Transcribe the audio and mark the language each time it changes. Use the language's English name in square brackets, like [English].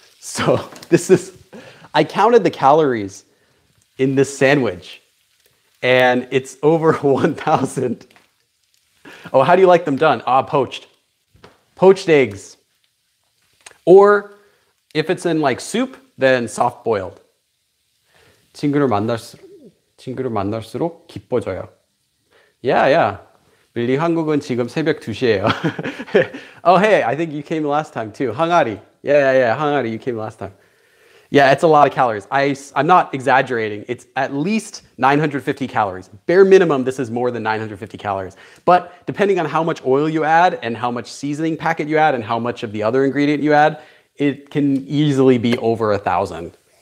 [English] So I counted the calories in this sandwich and it's over 1,000. Oh, how do you like them done? Ah, poached. Poached eggs. Or if it's in like soup, then soft boiled. [Korean] 친구를 만날수록 기뻐져요. [English] Yeah, yeah. [Korean] 빌리, 한국은 지금 새벽 2시예요. [English] Oh, hey, I think you came last time too. 항아리. Yeah, yeah, yeah. 항아리, you came last time. Yeah, it's a lot of calories. I'm not exaggerating. It's at least 950 calories. Bare minimum, this is more than 950 calories. But depending on how much oil you add and how much seasoning packet you add and how much of the other ingredient you add, it can easily be over 1,000.